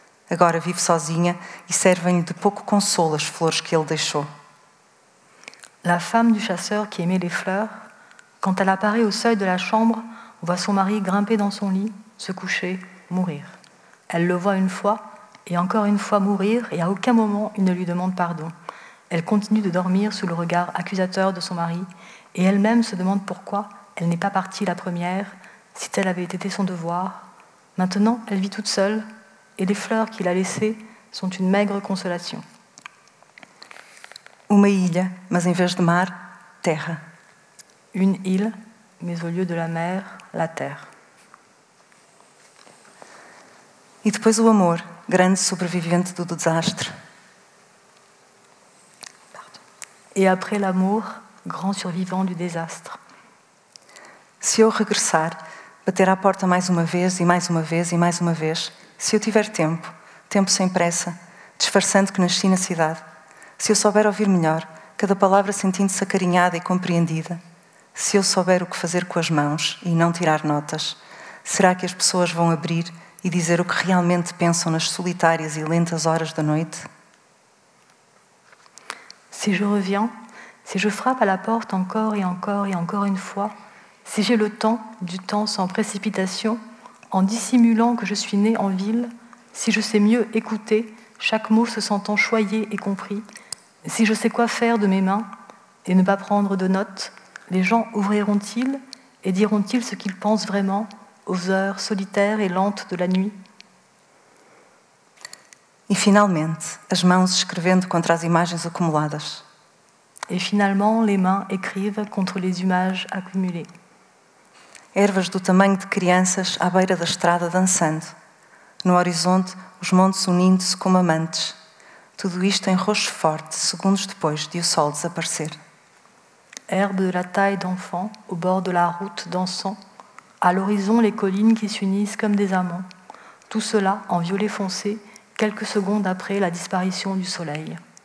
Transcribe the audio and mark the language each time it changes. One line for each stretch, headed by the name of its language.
Portuguese: Agora vive sozinha e servem-lhe de pouco consolo as flores que ele deixou.
French: La femme du chasseur qui aimait les fleurs, quand elle apparaît au seuil de la chambre, voit son mari grimper dans son lit, se coucher, mourir. Elle le voit une fois, et encore une fois mourir, et à aucun moment il ne lui demande pardon. Elle continue de dormir sous le regard accusateur de son mari, et elle-même se demande pourquoi elle n'est pas partie la première, si tel avait été son devoir. Maintenant, elle vit toute seule, et les fleurs qu'il a laissées sont une maigre consolation.
Portuguese: Uma ilha, mas en vez de mar, terra.
French: Une île, mais au lieu de la mer, la terre.
Portuguese: Et depois o amor, grande sobrevivente do desastre.
French: Et après l'amour, grand survivant du désastre.
Portuguese: Se eu regressar, bater à porta mais uma vez e mais uma vez e mais uma vez, se eu tiver tempo, tempo sem pressa, disfarçando que nasci na cidade, se eu souber ouvir melhor, cada palavra sentindo-se acarinhada e compreendida, se eu souber o que fazer com as mãos e não tirar notas, será que as pessoas vão abrir e dizer o que realmente pensam nas solitárias e lentas horas da noite?
French: Si je reviens, si je frappe à la porte encore et encore et encore une fois, si j'ai le temps, du temps sans précipitation, en dissimulant que je suis née en ville, si je sais mieux écouter, chaque mot se sentant choyé et compris, si je sais quoi faire de mes mains et ne pas prendre de notes, les gens ouvriront-ils et diront-ils ce qu'ils pensent vraiment aux heures solitaires et lentes de la nuit?
Portuguese: E finalmente, as mãos escrevendo contra as imagens acumuladas.
French: Et finalement, les mains écrivent contre les images accumulées.
Portuguese: Ervas do tamanho de crianças à beira da estrada dançando. No horizonte, os montes unindo-se como amantes. Tudo isto em roxo forte, segundos depois de o sol desaparecer.
French: Herbe de la taille d'enfant, au bord de la route dansant. À l'horizon, les collines qui s'unissent comme des amants. Tout cela en violet foncé, quelques secondes après la disparition du soleil.